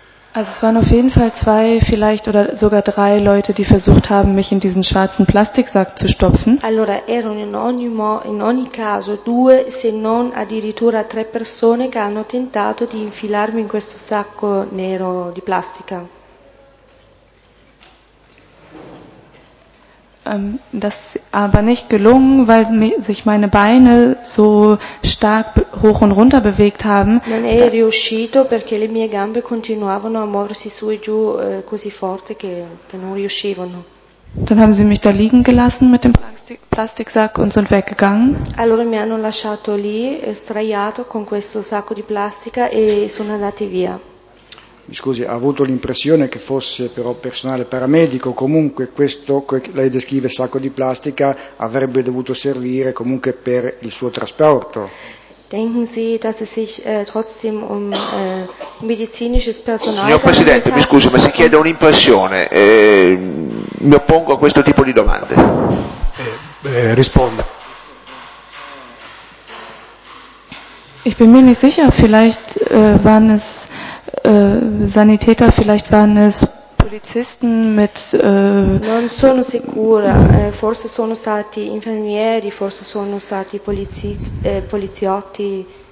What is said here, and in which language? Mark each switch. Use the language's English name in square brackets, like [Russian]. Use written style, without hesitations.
[German] Also es waren auf jeden Fall zwei, vielleicht oder sogar drei Leute, die versucht haben, mich in diesen schwarzen Plastiksack zu stopfen. [Italian] Allora erano in ogni caso due, se non addirittura tre persone che hanno tentato di infilarmi in questo sacco nero di plastica. [German] Das aber nicht gelungen, weil sich meine Beine so stark hoch und runter bewegt haben. [Italian] Non è riuscito perché le mie gambe continuavano a muoversi su e giù così forte che non riuscivano. [German] Dann haben sie mich da liegen gelassen mit dem Plastiksack und sind weggegangen. [Italian] Allora mi hanno lasciato lì straiato con questo sacco di plastica e sono andati via. Mi scusi, ha avuto l'impressione che fosse però personale paramedico, comunque questo, lei descrive sacco di plastica, avrebbe dovuto servire comunque per il suo trasporto. [German] Denken Sie, dass es sich trotzdem um medizinisches Personal [Italian] Signor Presidente, mi scusi, ma si chiede un'impressione. Mi oppongo a questo tipo di domande. Risponda. [German] Ich bin mir nicht sicher, vielleicht waren es Sanitäter, vielleicht waren es Polizisten mit [Italian] Non sono sicura, forse sono stati infermieri, forse sono stati poliziotti.